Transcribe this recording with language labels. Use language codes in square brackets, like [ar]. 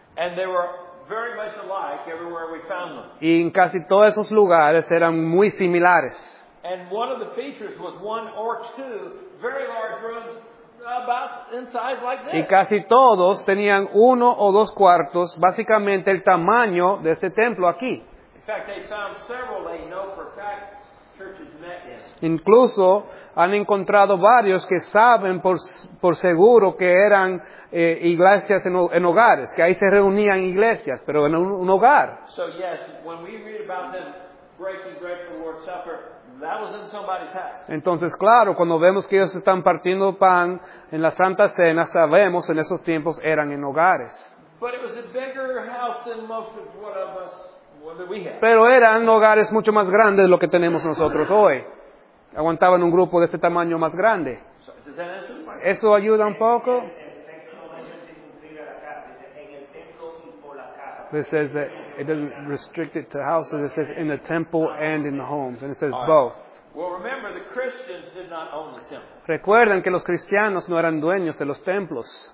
[en] And they were very much alike everywhere we found them. [es] Y en casi todos esos lugares eran muy similares. [en] And one of the features was one or two very large rooms about in size like this. [es] Y casi todos tenían uno o dos cuartos, básicamente el tamaño de ese templo aquí. [en] In fact, they found several they know for a fact churches met in. [es] Incluso han encontrado varios que saben por seguro que eran iglesias en hogares, que ahí se reunían iglesias, pero en un hogar. [en] So yes, when we read about them breaking bread for the Lord's Supper, that was in somebody's house. [es] Entonces, claro, cuando vemos que ellos están partiendo pan en la Santa Cena, sabemos en esos tiempos eran en hogares. [en] But it was a bigger house than most of what of us what we had. [es] Pero eran hogares mucho más grandes de lo que tenemos nosotros hoy. Aguantaban un grupo de este tamaño más grande. ¿Eso ayuda un poco? [en] This says that it doesn't restrict it to houses. It says in the temple and in the homes. And it says both. Well, remember, the Christians did not own the temple. [es] Recuerden que los cristianos no eran dueños de los templos.